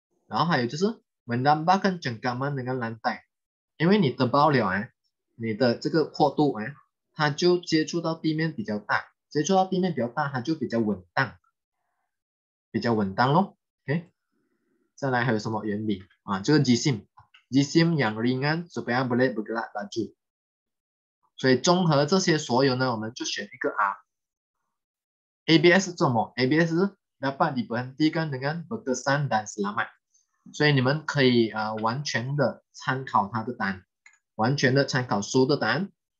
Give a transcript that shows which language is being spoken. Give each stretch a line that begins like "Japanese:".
Chinese: 然后还有就是 menambah 跟 jangkauan 那个蓝带，因为你的包了啊，你的这个宽度啊，它就接触到地面比较大，接触到地面比较大，它就比较稳当，比较稳当咯。 OK，再来还有什么原理啊？这个机芯。
Malay: Jisim yang ringan supaya boleh bergerak laju。
Chinese: 所以综合这些所有呢，我们就选一个 R。
Malay: ABS
Chinese: 做什么？
Malay: ABS dapat diberhentikan dengan berkesan dan selamat。
Chinese: 所以你们可以完全的参考他的答案，完全的参考书的答案。